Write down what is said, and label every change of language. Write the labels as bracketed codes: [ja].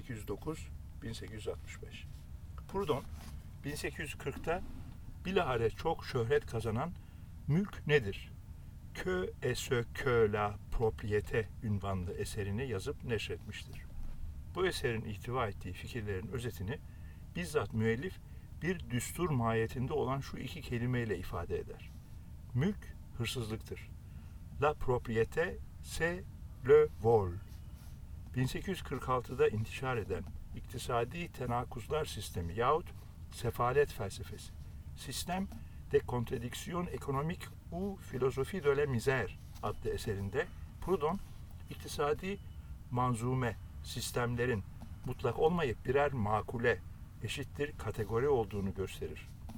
[tr] 1809-1865. Proudhon, 1840'ta bilahare çok şöhret kazanan Mülk Nedir? [fr] Que est-ce que la propriété [tr] ünvanlı eserini yazıp neşretmiştir. Bu eserin ihtiva ettiği fikirlerin özetini bizzat müellif bir düstur mahiyetinde olan şu iki kelimeyle ifade eder. Mülk, hırsızlıktır. [fr] La propriété, c'est le vol. [tr] 1846'da intişar eden iktisadi tenakuzlar sistemi yahut sefalet felsefesi. [fr] Sistem de contradiction économique ou philosophie de la misère [tr] adlı eserinde Proudhon, iktisadi manzume, sistemlerin mutlak olmayıp birer makule, eşittir kategori olduğunu gösterir.